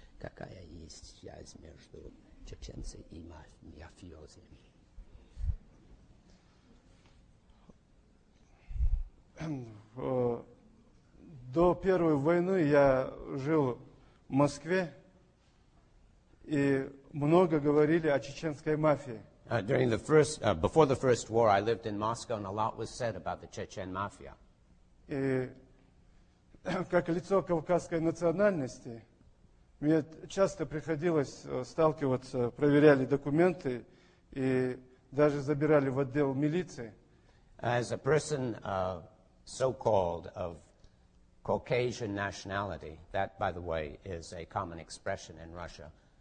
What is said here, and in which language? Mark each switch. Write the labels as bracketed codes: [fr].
[ru] Какая есть связь между чеченцами и мафиози? До Первой войны я жил в Москве. И много говорили о чеченской мафии. [en] During the first, before the first war, I lived in Moscow, and a lot was said about the Chechen mafia. [ru] И как лицо кавказской национальности, мне часто приходилось сталкиваться, проверяли документы и даже забирали в отдел милиции. [en] As a person so-called of Caucasian nationality, that, by the way, is a common expression in Russia.